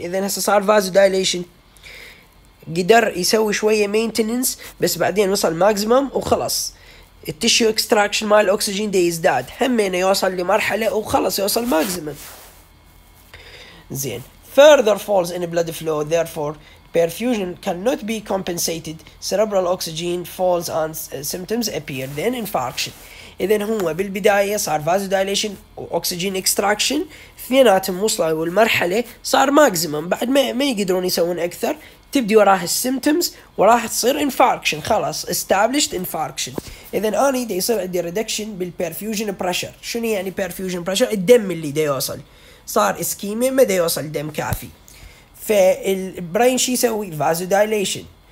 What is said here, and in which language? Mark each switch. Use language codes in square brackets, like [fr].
[ar] اذا هسه صار فازو دايليشن قدر يسوي شويه مينتننس، بس بعدين وصل ماكسيمم وخلص التشيو اكستراكشن مال الاكسجين دي يزداد همينه يوصل لمرحله وخلص يوصل ماكسيمم. [en] زين further falls in blood flow therefore perfusion cannot be compensated cerebral oxygen falls and symptoms appear then infarction. [ar] اذا هو بالبدايه صار فازو دايليشن واكسجين اكستراكشن اثنيناتهم وصلوا المرحله صار ماكسيمم، بعد ما يقدرون يسوون اكثر تبدي وراها السيمتومز وراح تصير انفاركشن، خلاص استابليشد انفاركشن. اذا انا دي يصير عندي ريدكشن بالبرفيوجن بريشر. شنو يعني برفيوجن بريشر؟ الدم اللي دا يوصل صار اسكيميا ما دا يوصل دم كافي، فالبرين شي يسوي فازو دايليشن.